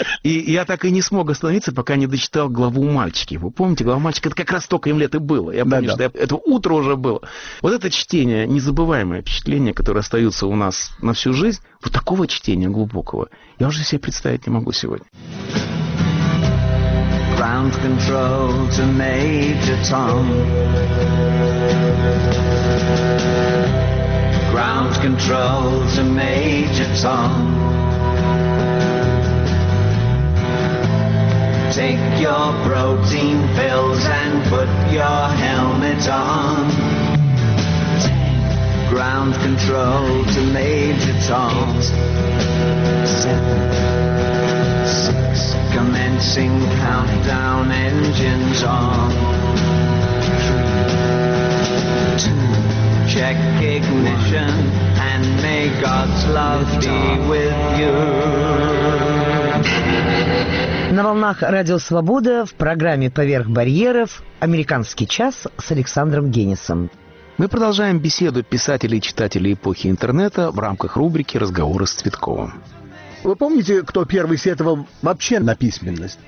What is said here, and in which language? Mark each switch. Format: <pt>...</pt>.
<ru>И я так и не смог остановиться, пока не дочитал главу «Мальчики». Вы помните, глава «Мальчики» — это как раз столько им лет и было. Я помню, что это утро уже было. Вот это чтение, незабываемое впечатление, которое остаются у нас на всю жизнь, вот такого чтения глубокого я уже себе представить не могу сегодня.</ru> <en>Ground control to Major Tom. Ground control to Major Tom. Take your protein pills and put your helmet on. Ground control to Major Tom. 7, 6, commencing countdown, engines on. 3, 2, check ignition, 1, and may God's love be with you.</en> <ru>На волнах Радио Свобода в программе «Поверх барьеров» «Американский час» с Александром Генисом. Мы продолжаем беседу писателей и читателей эпохи интернета в рамках рубрики «Разговоры с Цветковым». Вы помните, кто первый сетовал вообще на письменность?</ru>